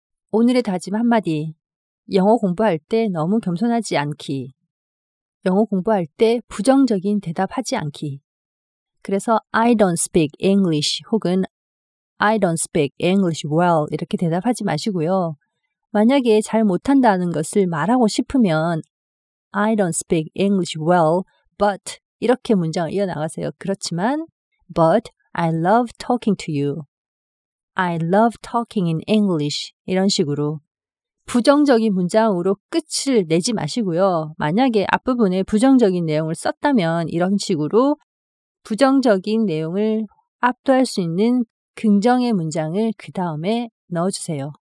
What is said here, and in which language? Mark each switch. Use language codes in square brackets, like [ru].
[ko] 오늘의 다짐 한마디 영어 공부할 때 너무 겸손하지 않기 영어 공부할 때 부정적인 대답하지 않기 그래서 [en] I don't speak English [ko] 혹은 [en] I don't speak English well [ko] 이렇게 대답하지 마시고요. 만약에 잘 못한다는 것을 말하고 싶으면 [en] I don't speak English well, but [ko] 이렇게 문장을 이어나가세요. 그렇지만 [en] but I love talking to you. I love talking in English [ko] 이런 식으로 부정적인 문장으로 끝을 내지 마시고요. 만약에 앞부분에 부정적인 내용을 썼다면 이런 식으로 부정적인 내용을 압도할 수 있는 긍정의 문장을 그 다음에 넣어주세요.